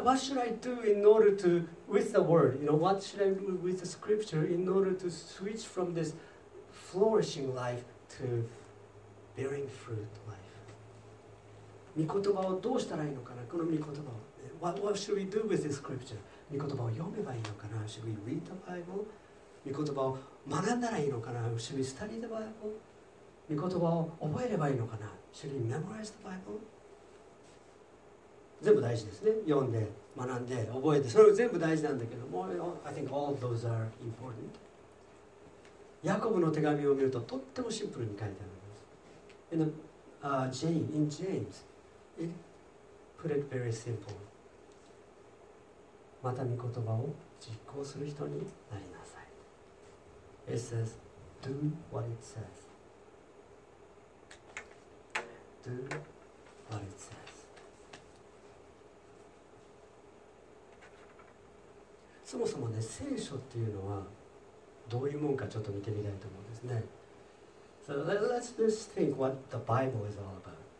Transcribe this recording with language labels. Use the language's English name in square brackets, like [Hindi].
[English] But what should I do in order to with the word? You know, what should I do with the scripture in order to switch from this flourishing life to bearing fruit life? [Japanese] 御言葉をどうしたらいいのかな、この御言葉を。 [English] What should we do with this scripture? [Japanese] 御言葉を読めばいいのかな。 [English] Should we read the Bible? [Japanese] 御言葉を学んだらいいのかな。 [English] Should we study the Bible? [Japanese] 御言葉を覚えればいいのかな。 [English] Should we memorize the Bible? [Japanese] 全部大事ですね。読んで、学んで、覚えて、それ全部大事なんだけども、 [English] you know, I think all those are important. [Japanese] ヤコブの手紙を見るととってもシンプルに書いてあるんです。 [English] In James, it put it very simple. [Japanese] また御言葉を実行する人になります。 [English] It says, do what it says. Do what it says. [Japanese] そもそもね、聖書っていうのはどういうもんかちょっと見てみたいと思うんですね。 [English] So let's just think what the Bible is all about.